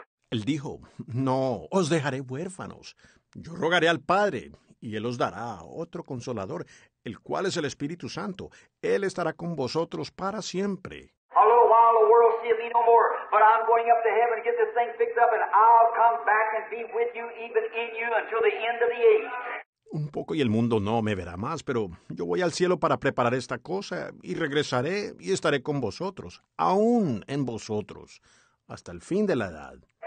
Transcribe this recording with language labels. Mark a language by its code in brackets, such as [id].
[es] Él dijo, no, os dejaré huérfanos. Yo rogaré al Padre, y Él os dará otro Consolador, el cual es el Espíritu Santo. Él estará con vosotros para siempre. [en] A little while the world will see me no more, but I'm going up to heaven to get this thing fixed up, and I'll come back and be with you, even in you, until the end of the age. [es] Un poco y el mundo no me verá más, pero yo voy al cielo para preparar esta cosa, y regresaré y estaré con vosotros, aún en vosotros, hasta el fin de la edad.